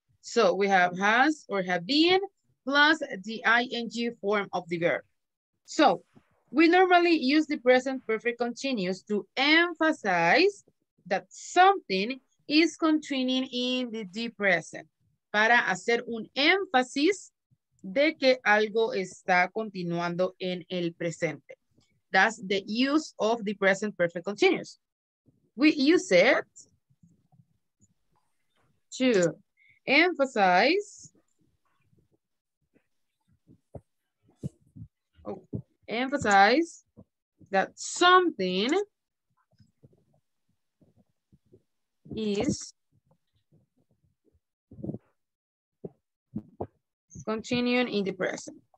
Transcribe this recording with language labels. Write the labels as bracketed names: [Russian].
[English] So we have has or have been plus the ing form of the verb. So we normally use the present perfect continuous to emphasize that something is continuing in the present. [Spanish] Para hacer un énfasis de que algo está continuando en el presente. [English] That's the use of the present perfect continuous. We use it to emphasize, emphasize that something is continuing in the present.